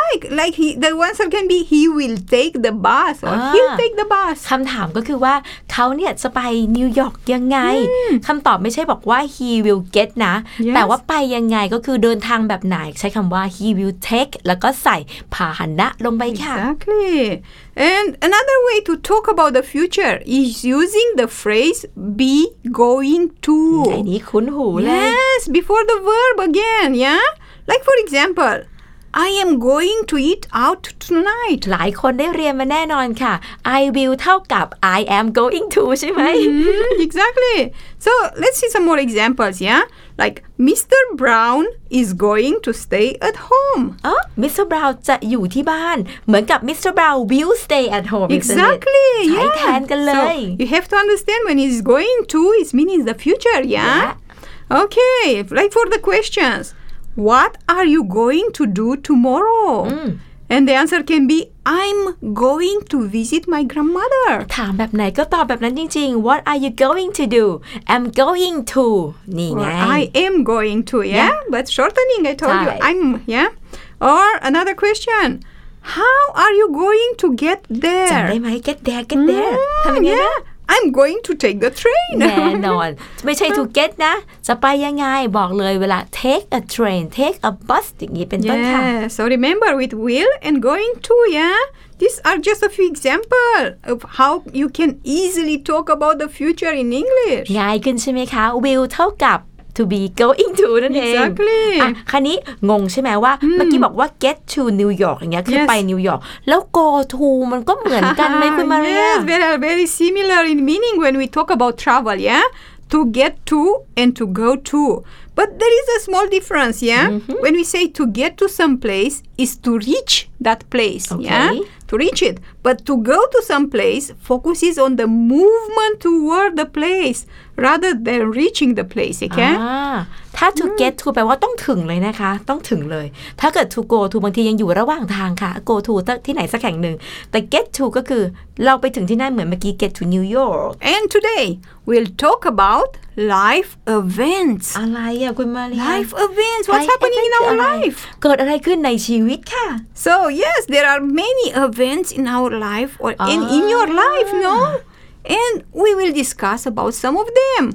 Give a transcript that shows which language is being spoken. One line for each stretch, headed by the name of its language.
English: Like he, the answer can be he will take the bus or he'll take the bus.
Thai: คำถามก็คือว่าเขาเนี่ยจะไปนิวยอร์กยังไง คำตอบไม่ใช่บอกว่า
English: he will get
Thai: นะ
English: yes.
Thai: แต่ว่าไปยังไงก็คือเดินทางแบบไหนใช้คำว่า
English: he will take
Thai: แล้วก็ใส่พาหนะลงไปค่ะ
English: Exactly. And another way to talk about the future is using the phrase be going to.
Thai: ไอ้นี่คุ้นหูเลย
English: Yes, before the verb again, yeah. Like for example. I am going to eat out tonight.
Thai: หลายคนได้เรียนมาแน่นอนค่ะ
English: I will
Thai: เท่ากับ
English: I am going to
Thai: ใช่ไหม
English: Exactly. So let's see some more examples, yeah? Like Mr. Brown is going to stay at home. Mr.
Thai: Brown จะอยู่ที่บ้านเหมือนกับ Mr.
English: Brown will stay at home. Exactly.
Thai: ใช้แทนกันเลย
English: So you have to understand when he's going to, it means the future, yeah? Okay. Like for the questions. What are you going to do tomorrow? And the answer can be, I'm going to visit my grandmother.
Thai: ถามแบบไหนก็ตอบแบบนั้นจริงๆ
English: What are you going to do? I'm going to.
Thai: นี่ไง
English: I am going to, yeah? But shortening, I told you, I'm, yeah? Or another question. How are you going to get there?
Thai: จำได้ไหม
English: get there get there
Thai: ทำยังไงนะ
English: I'm going to take the train
Thai: แน่นอนไม่ใช่ to get นะจะไปยังไงบอกเลยเวลา
English: take a train take a bus
Thai: อย่างนี้เป็นต้นค่ะ
English: Yeah so remember with will and going to yeah these are just a few examples of how you can easily talk about the future in English
Thai: ง่ายขึ้นใช่ไหมคะ will เท่ากับ
English: to be going to
Thai: นั่นเอง อ่ ะคราวนี้งงใช่ไหมว่าเมื่อกี้บอกว่า
English: get to New York
Thai: อย่างเงี้ยคือไปนิวยอร์กแล้ว go to มันก็เหมือนกันไหมคุณมาเรีย
English: Yes very very similar in meaning when we talk about travel yeah to get to and to go to but there is a small difference yeah mm-hmm. when we say to get to some place is to reach that place okay. yeah to reach it but to go to some place focuses on the movement toward the placeRather than reaching the place, okay?
Thai: ถ้า
English: to get to
Thai: แปลว่าต้องถึงเลยนะคะต้องถึงเลยถ้าเกิด
English: to go to
Thai: บางทียังอยู่ระหว่างทางค่ะ go to ที่ไหนสักแห่งหนึ่งแต่ get to ก็คือเราไปถึงที่นั่นเหมือนเมื่อกี้ get to New York
English: and today we'll talk about life events
Thai: อะไรอะคุณมาเรีย
English: life events what's happening in our life
Thai: เกิดอะไรขึ้นในชีวิตค่ะ
English: so yes there are many events in our life or in your life no? And we will discuss about some of them.